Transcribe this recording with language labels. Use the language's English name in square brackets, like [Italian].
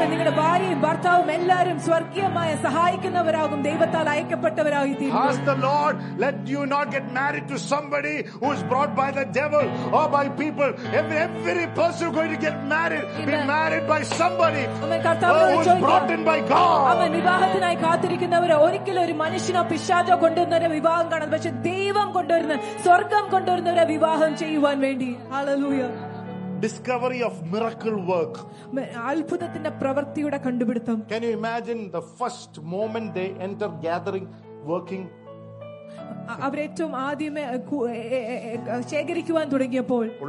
[English] Ask the Lord, let you not get married to somebody who is brought by the devil or by people. Every person who is going to get married, be married by somebody who is brought in by God. [Malayalam] വിവാഹത്തിനായി കാത്തിരിക്കുന്നവരെ ഒരിക്കലും ഒരു മനുഷ്യനോ പിശാചോ കൊണ്ടുവരുന്നവരെ വിവാഹം കാണാൻ, പക്ഷെ ദൈവം കൊണ്ടുവരുന്ന, സ്വർഗം കൊണ്ടുവരുന്നവരെ വിവാഹം ചെയ്യുവാൻ വേണ്ടി. Hallelujah. [English] Discovery of miracle work. [Malayalam] അത്ഭുതത്തിന്റെ പ്രവൃത്തിയുടെ കണ്ടുപിടുത്തം. [English] Can you imagine the first moment they enter gathering working? [Malayalam] അവരേറ്റവും ആദ്യമേ ശേഖരിക്കുവാൻ തുടങ്ങിയപ്പോൾ